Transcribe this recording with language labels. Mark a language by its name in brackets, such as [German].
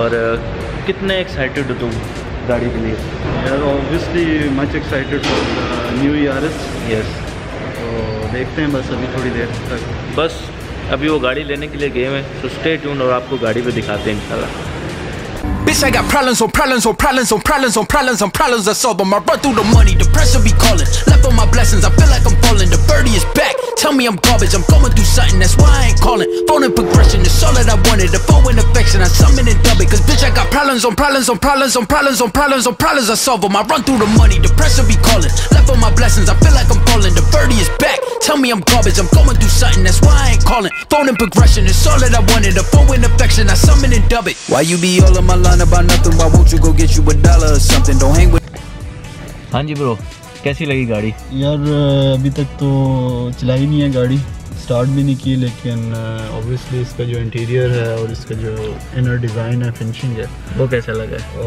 [Hindi] और कितने एक्साइटेड हो तुम गाड़ी के लिए? [English] यार obviously much excited for the new years. Yes, [Hindi] तो देखते हैं बस अभी थोड़ी देर तक, बस अभी वो गाड़ी लेने के लिए गए हैं। [English] so stay tuned [Hindi] और आपको गाड़ी पे दिखाते हैं इंशाल्लाह। [English] Bitch, I got problems on problems on problems on problems on problems on problems. I solve them. I run through the money. The pressure be calling. Left on my blessings. I feel like I'm falling. The birdie is back. Tell me I'm garbage. I'm going through something. That's why I ain't calling. Phone in progression. It's all that I wanted. The phone in affection. I summon and dub it. 'Cause bitch, I got problems on problems on problems on problems on problems on problems. I solve them. I run through the money. The pressure be calling. Left on my blessings. I feel like I'm falling. The birdie is back. Tell me I'm garbage. I'm going through something. That's why I ain't calling. Phone in progression. It's all that I wanted. The phone in affection. I summon and dub it. Why you be all in my line? [Hindi] हाँ जी bro, कैसी लगी गाड़ी? यार अभी तक तो चलाई नहीं है गाड़ी, स्टार्ट भी नहीं की, लेकिन ऑब्वियसली इसका जो इंटीरियर है और इसका जो इनर डिज़ाइन है, फिनिशिंग है, वो कैसा लगा?